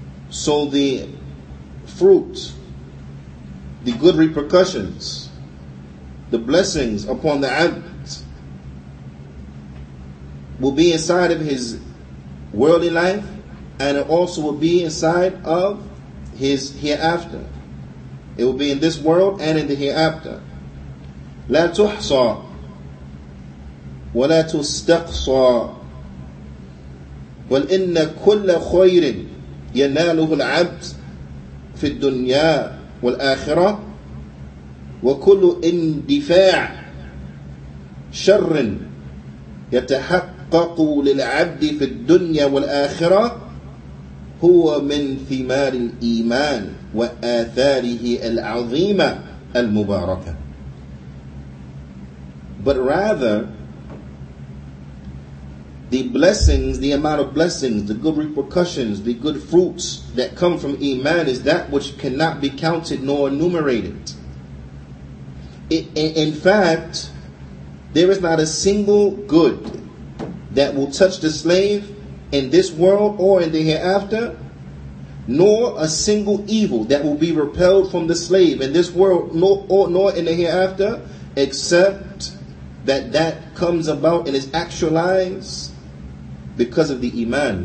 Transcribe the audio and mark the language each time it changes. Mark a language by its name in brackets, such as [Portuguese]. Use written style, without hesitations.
[English] So the fruit, the good repercussions, the blessings upon the abd will be inside of his worldly life, and it also will be inside of his hereafter. It will be in this world and in the hereafter. [Arabic] لا تحصى ولا تستقصى ولإن كل خير يناله العبد في الدنيا والآخرة وكل اندفاع شر يتحقق للعبد في الدنيا والآخرة هو من ثمار الإيمان وآثاره العظيمة المباركة. [English] but rather the blessings, the amount of blessings, the good repercussions, the good fruits that come from Iman is that which cannot be counted nor enumerated. In fact, there is not a single good that will touch the slave in this world or in the hereafter, nor a single evil that will be repelled from the slave in this world nor in the hereafter, except that comes about and is actualized because of the Iman.